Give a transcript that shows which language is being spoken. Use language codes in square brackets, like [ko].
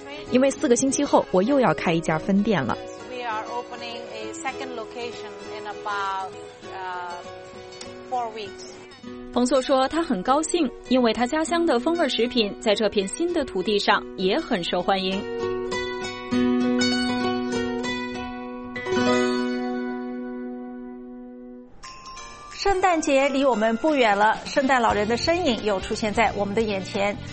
[zh] 因为四个星期后我又要开一家分店了。 [en] We are opening a second location in about 4 weeks. [zh] 冯硕说他很高兴，因为他家乡的风味食品在这片新的土地上也很受欢迎。圣诞节离我们不远了，圣诞老人的身影又出现在我们的眼前。